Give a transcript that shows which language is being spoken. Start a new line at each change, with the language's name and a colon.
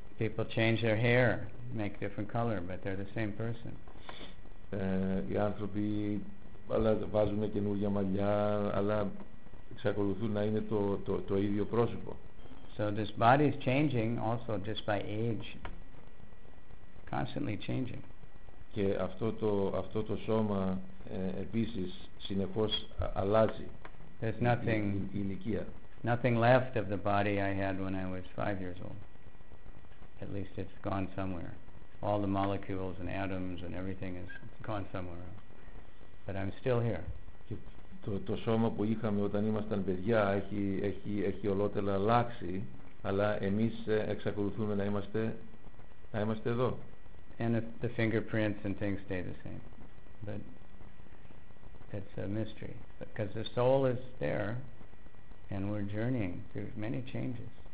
English: People change their hair, make different color, but they're the same person.
Greek: Οι άνθρωποι βάζουν καινούργια μαλλιά, αλλά εξακολουθούν να είναι το ίδιο πρόσωπο.
English: So this body is changing also just by age. Constantly changing.
Greek: Και αυτό το σώμα επίσης συνεχώς αλλάζει.
English: There's nothing
Greek: ηλικία.
English: Nothing left of the body I had when I was 5 years old. At least it's gone somewhere. All the molecules and atoms and everything is gone somewhere. But I'm still here.
Greek: Το σώμα που είχαμε όταν ήμασταν παιδιά έχει ολότελα αλλάξει, αλλά εμείς εξακολουθούμε να είμαστε εδώ.
English: And the fingerprints and things stay the same. But it's a mystery. Because the soul is there and we're journeying through many changes.